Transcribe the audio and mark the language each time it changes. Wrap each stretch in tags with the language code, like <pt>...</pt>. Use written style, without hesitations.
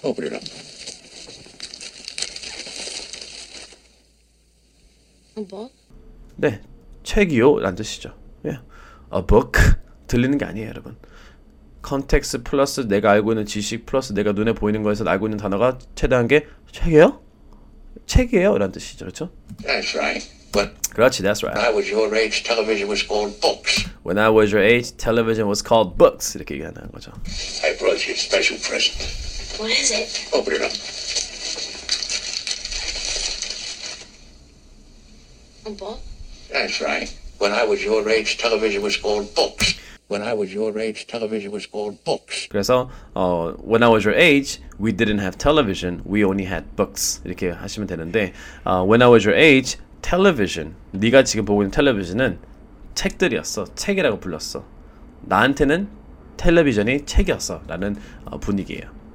<en>Open it up. A book?</en> <ko>네. 책이요? 라는 뜻이죠.</ko> <en>Yeah. A book?</en> <ko>들리는 게 아니에요, 여러분. 컨텍스트 플러스 내가 알고 있는 지식 플러스 내가 눈에 보이는 거에서 알고 있는 단어가 최대한 게 책이에요? 책이에요? 라는 뜻이죠. 그렇죠?</ko> <en>That's right. But</en> <ko>그렇지,</ko> <en>that's right. When I was your age, television was called books. When I was your age, television was called books.</en> <ko>이렇게 얘기하는 거죠.</ko> <en>I brought you a special present. What is it? Open it up. A book? That's right. When I was your age, television was called books. When I was your age, television was called books.</en> <ko>그래서</ko> <en>when I was your age, we didn't have television. We only had books.</en> <ko>이렇게 하시면 되는데</ko> <en>when I was your age, television.</en> <ko>네가 지금 보고 있는 텔레비전은 책들이었어. 책이라고 불렀어. 나한테는 텔레비전이 책이었어라는 분위기예요.</ko>